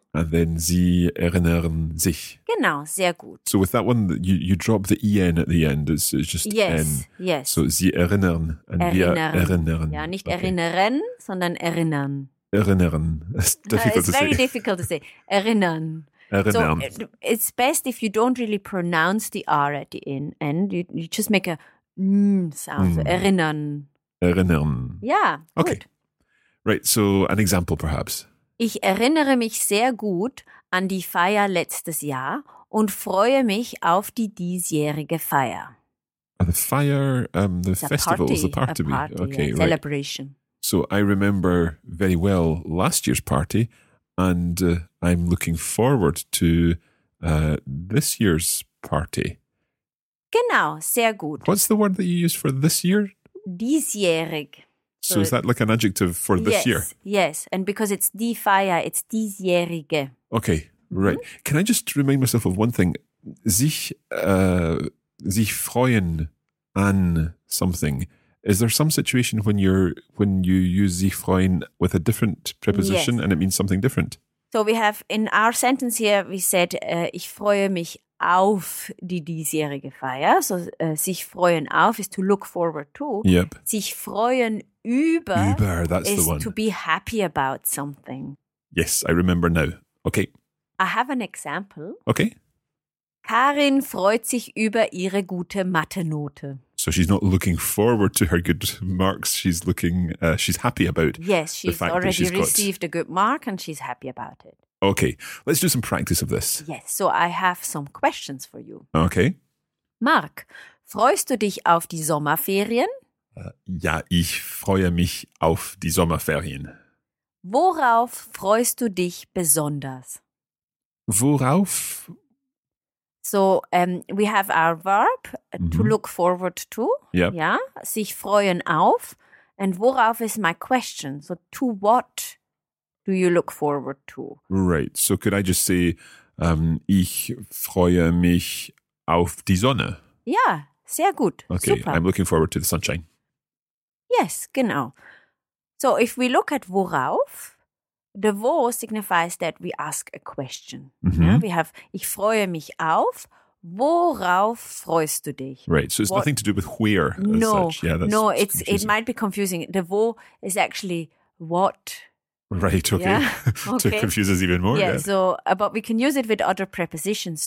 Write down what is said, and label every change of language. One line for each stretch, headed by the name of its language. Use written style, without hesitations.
English: And then
German: sie erinnern sich. Genau, sehr gut.
English: So with that one, you drop the en at the end. It's just yes, n. Yes.
German: So sie erinnern. And erinnern. Wir erinnern. Ja, nicht erinnern, sondern erinnern. Erinnern.
English: It's very difficult to say.
German: Erinnern. Erinnern.
English: So it's best if you don't really pronounce the R at the end. You just make a sound. Mm. So erinnern.
German: Erinnern.
English: Yeah, okay. Good. Right, so an example perhaps.
German: Ich erinnere mich sehr gut an die Feier letztes Jahr und freue mich auf die diesjährige Feier.
English: The Feier, the festival, the party. A party, okay, yeah, celebration. Right. So I remember very well last year's party, and I'm looking forward to this year's party.
German: Genau, sehr gut.
English: What's the word that you use for this year?
German: Diesjährig.
English: So is that like an adjective for this year? Yes, and because it's die Feier, it's diesjährige. Okay, right. Mm-hmm. Can I just remind myself of one thing? Sich freuen an something. Is there some situation when you use sich freuen with a different preposition and it means something different? So we have in our sentence here, we said,
German: ich freue mich auf die diesjährige Feier.
English: So sich freuen auf is to look forward to. Yep. Sich freuen Über, that's the one. Is to be happy about something. Yes, I remember now. Okay. I have an example. Okay.
German: Karin freut sich über ihre gute Mathe-Note.
English: So she's not looking forward to her good marks. She's looking, she's happy about it. Yes, she's already received a good mark and she's happy about it. Okay, let's do some practice of this. Yes, so I have some questions for you. Okay.
German: Mark, freust du dich auf die Sommerferien? Ja, ich freue mich auf die Sommerferien. Worauf freust du dich besonders? Worauf?
English: So, we have our verb, to look forward to. Yep.
German: Ja, sich freuen auf.
English: And worauf is my question? So, to what do you look forward to? Right. So, could I just say,
German: ich freue mich auf die Sonne? Ja, sehr gut.
English: Okay, super. I'm looking forward to the sunshine. Yes, genau. So, if we look at worauf, the wo signifies that we ask a question. Mm-hmm. Yeah, we have,
German: ich freue mich auf, worauf freust du dich?
English: Right, so it's nothing to do with where as no, such. Yeah, that's, no, it's it might be confusing. The wo is actually what. Right, okay. Yeah? To confuse us even more. Yeah, yeah. So, but we can use it with other prepositions